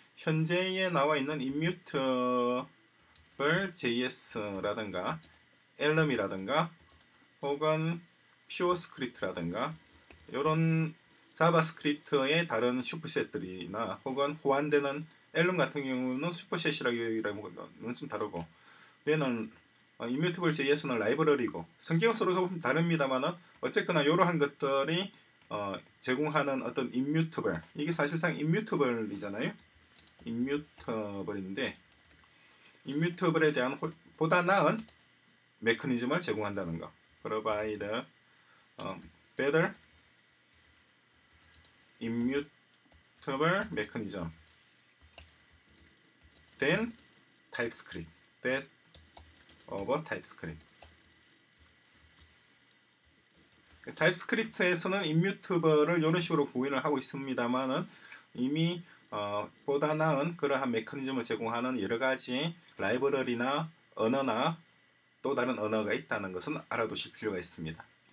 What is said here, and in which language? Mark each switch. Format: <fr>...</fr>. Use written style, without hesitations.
<ko>현재에 나와 있는 immutable.js라든가 elm이라든가 혹은 PureScript라든가 이런 자바스크립트의 다른 슈퍼셋들이나 혹은 호환되는 elm 같은 경우는 슈퍼셋이라고는 좀 다르고 얘는 immutable.js는 라이브러리고 성격서로 조금 다릅니다만은 어쨌거나 이러한 것들이 제공하는 어떤 immutable 이게 사실상 immutable이잖아요. immutable인데 immutable에 대한 보다 나은 메커니즘을 제공한다는 거.</ko> <en>provide better immutable mechanism than TypeScript that over TypeScript.</en> <ko>TypeScript에서는 immutable을 이런 식으로 구현을 하고 있습니다만은 이미 보다 나은 그러한 메커니즘을 제공하는 여러 가지 라이브러리나 언어나 또 다른 언어가 있다는 것은 알아두실 필요가 있습니다.</ko>